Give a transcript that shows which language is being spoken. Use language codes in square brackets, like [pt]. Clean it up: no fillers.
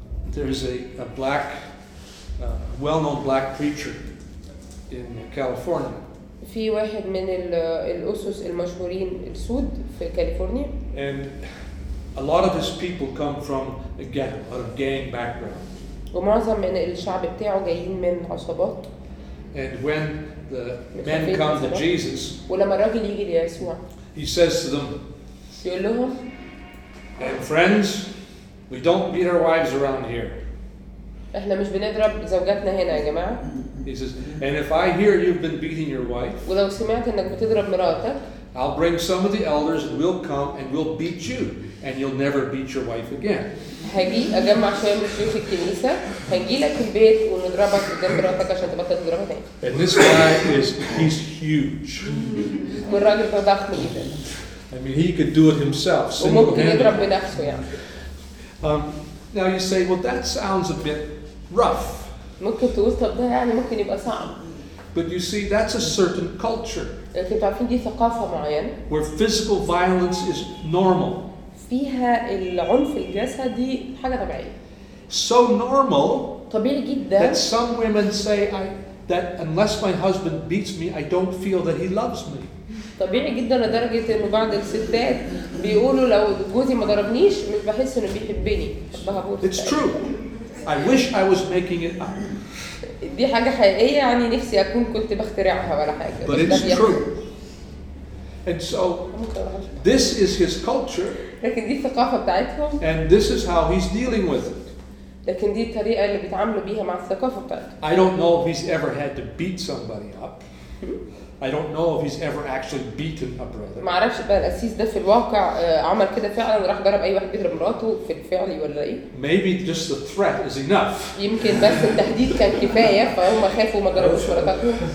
[en] There is a black well-known black preacher in California. [ar] في واحد من الأسس المشهورين السود في كاليفورنيا. [en] And a lot of his people come from a gang, out of gang background. [ar] ومعظم من الشعب بتاعه جايين من عصابات. [en] And when the men come to Jesus, [ar] ولما الرجل يجي ليسوع, [en] he says to them, [ar] يقول لهم, [en] and friends, we don't beat our wives around here. [ar] احنا مش بنضرب زوجاتنا هنا يا جماعة. [en] He says, and if I hear you've been beating your wife, [ar] ولو سمعت انك بتضرب مراتك, [en] I'll bring some of the elders and we'll come and we'll beat you and you'll never beat your wife again. [ar] هاجي اجمع شوية من شيوخ الكنيسة, هاجي لك البيت ونضربك قدام مراتك عشان تبطل تضربها تاني. [en] And this guy is, he's huge. [ar] والراجل ده ضخم جدا. [en] I mean, he could do it himself, [ar] وممكن يضرب بنفسه يعني. [en] Now you say, well, that sounds a bit rough. [ar] ممكن تقول طب ده يعني ممكن يبقى صعب. [en] But you see, that's a certain culture. [ar] لكن تعرفين دي ثقافة معينة. [en] Where physical violence is normal. [ar] فيها العنف الجسدي حاجة طبيعية. [en] So normal. [ar] طبيعي جدا. [en] That some women say that unless my husband beats me, I don't feel that he loves me. [ar] طبيعي جدا لدرجة إنه بعض الستات بيقولوا لو جوزي ما ضربنيش مش بحس إنه بيحبني. [en] It's true. I wish I was making it up. [ar] دي حاجة حقيقية يعني نفسي أكون كنت بخترعها ولا حاجة. [en] But it's true. And so this is his culture. [ar] لكن دي الثقافة بتاعتهم. [en] And this is how he's dealing with it. [ar] لكن دي الطريقة اللي بيتعاملوا بيها مع الثقافة بتاعتهم. [en] I don't know if he's ever had to beat somebody up. I don't know if he's ever actually beaten a brother. [ar] ما أعرفش بقى الأسيس ده في الواقع عمل كده فعلا وراح ضرب أي واحد بيضرب مراته في الفعل ولا إيه. [en] Maybe just the threat is enough. [ar] يمكن بس التهديد كان كفاية فهم خافوا وما ضربوش مراته.